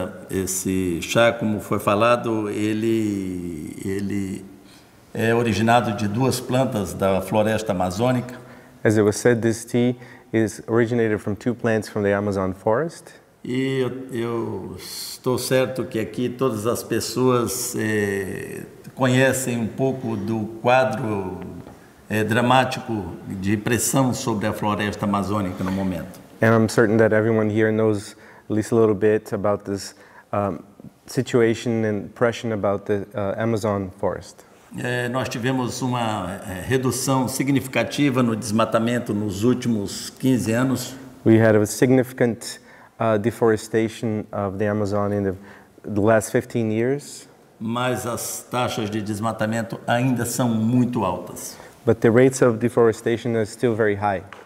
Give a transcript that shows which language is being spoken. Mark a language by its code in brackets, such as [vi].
[pt] Esse chá, como foi falado, ele é originado de duas plantas da floresta amazônica. [en] As it was said, this tea is originated from two plants from the Amazon forest. [pt] E eu estou certo que aqui todas as pessoas conhecem um pouco do quadro dramático de pressão sobre a floresta amazônica no momento. [en] And I'm certain that everyone here knows at least a little bit about this situation and pressure about the Amazon forest. [pt] Nós tivemos uma redução significativa no desmatamento nos últimos 15 anos. [en] We had a significant deforestation of the Amazon in the last 15 years. [pt] Mas as taxas de desmatamento ainda são muito altas. [en] But the rates of deforestation are still very high.